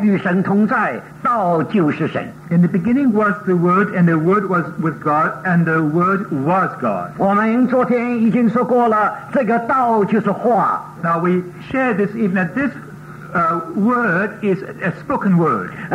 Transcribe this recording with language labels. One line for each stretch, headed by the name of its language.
Chinese: 在一处有道，道与神同在，道就是神。
English: In the beginning was the Word, and the Word was with God, and the Word was God.
Chinese: 我们昨天已经说过了，这个道就是话。
English: Now we shared this evening that this word is a spoken word.